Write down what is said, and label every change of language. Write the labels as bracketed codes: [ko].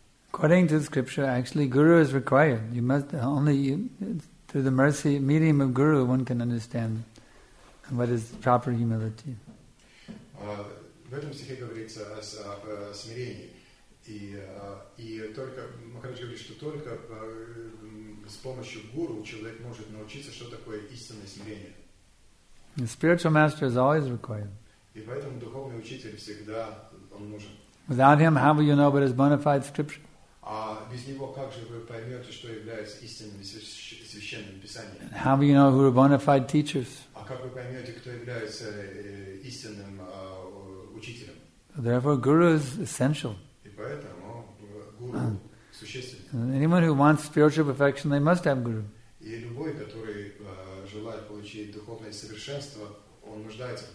[en] According to the scripture, actually, guru is required. You must only through the mercy medium of guru one can understand what is proper humility. [ru] В этом стихе говорится об смирении. И только Махараджа говорит, что только с помощью гуру человек может научиться, что такое истинное смирение. [en] The spiritual master is always required. [ru] И поэтому духовный учитель всегда он нужен. [en] Without him, how will you know what is bona fide scripture? [ru] А без него как же вы поймете, что является истинным священным писанием? [en] And how will you know who are bona fide teachers? [ru] А как вы поймете, кто является истинным учителем? [en] Therefore, guru is essential. [ru] И поэтому guru существенен. [en] Anyone who wants spiritual perfection, they must have guru. [ru] И любой, который желает получить духовное совершенство, он нуждается в